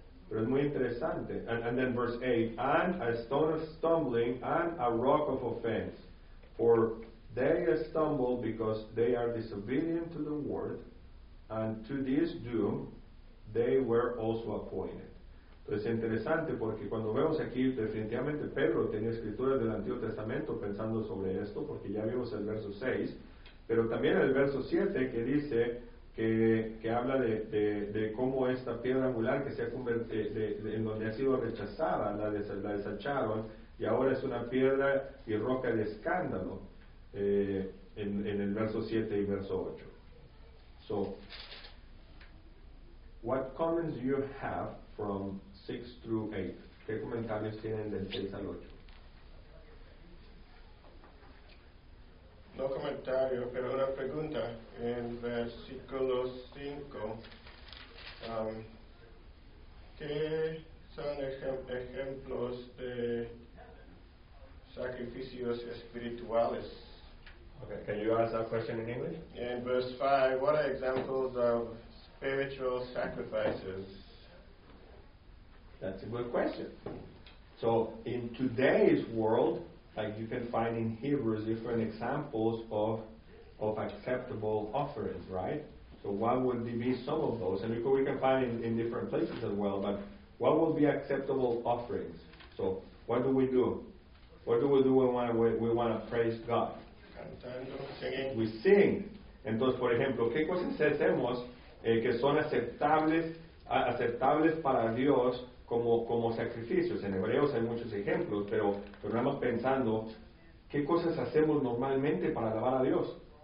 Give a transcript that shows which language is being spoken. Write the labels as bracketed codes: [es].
[es] Pero es muy interesante. [en] And then verse 8. And a stone of stumbling and a rock of offense. For they stumble because they are disobedient to the word. And to this doom they were also appointed. [es] Entonces es interesante porque cuando vemos aquí, definitivamente Pedro tenía escrituras del Antiguo Testamento pensando sobre esto, porque ya vimos el verso 6, pero también el verso 7 que dice que habla de cómo esta piedra angular que se ha convertido, en donde ha sido rechazada, la desecharon, y ahora es una piedra y roca de escándalo, en el verso 7 y verso 8. [en] So, what comments do you have from 6 through 8? [es] ¿Qué comentarios tienen del 6 al 8? No comentario, pero una pregunta. En versículo 5, ¿qué son ejemplos de sacrificios espirituales? [en] Okay, can you ask that question in English? In verse 5, what are examples of spiritual sacrifices? That's a good question. So, in today's world, like you can find in Hebrews different examples of acceptable offerings, right? So what would be some of those? And we can find in different places as well, but what would be acceptable offerings? So what do we do? What do we do when we want to praise God? [es] Cantando, [en] singing. We sing. [es] Entonces, por ejemplo, ¿qué cosas hacemos que son aceptables para Dios como sacrificios? En Hebreos hay muchos ejemplos, pero nada más pensando, ¿qué cosas hacemos normalmente para alabar a Dios?